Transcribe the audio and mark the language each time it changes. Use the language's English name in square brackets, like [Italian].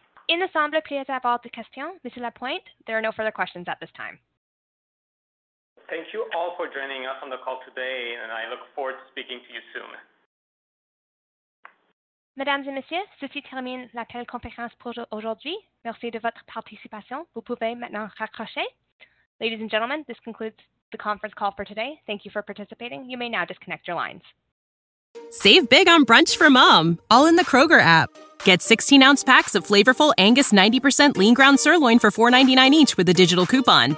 [French] Il ne semble plus avoir d'autres questions, Monsieur Lapointe. [English] There are no further questions at this time. Thank you all for joining us on the call today, and I look forward to speaking to you soon. [French] Mesdames et messieurs, ceci termine la téléconférence pour aujourd'hui. Merci de votre participation. Vous pouvez maintenant raccrocher. [English] Ladies and gentlemen, this concludes the conference call for today. Thank you for participating. You may now disconnect your lines. Save big on brunch for mom, all in the Kroger app. Get 16-ounce packs of flavorful Angus 90% lean ground sirloin for $4.99 each with a digital coupon.